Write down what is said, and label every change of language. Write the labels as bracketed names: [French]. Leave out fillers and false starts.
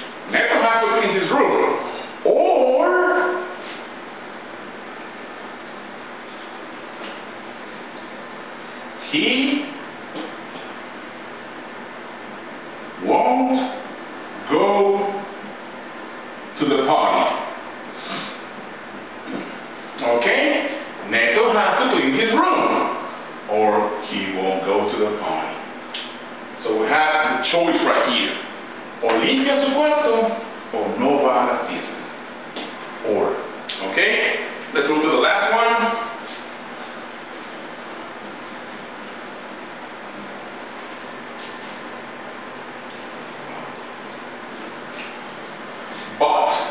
[English] Neto has to clean his room. Or he won't go to the party. Okay? Neto has to clean his room or he won't go to the party. So we have the choice right here. [Spanish] O limpia su cuarto o no va a la fiesta. [English] Or. Okay? Let's move to the last one. But.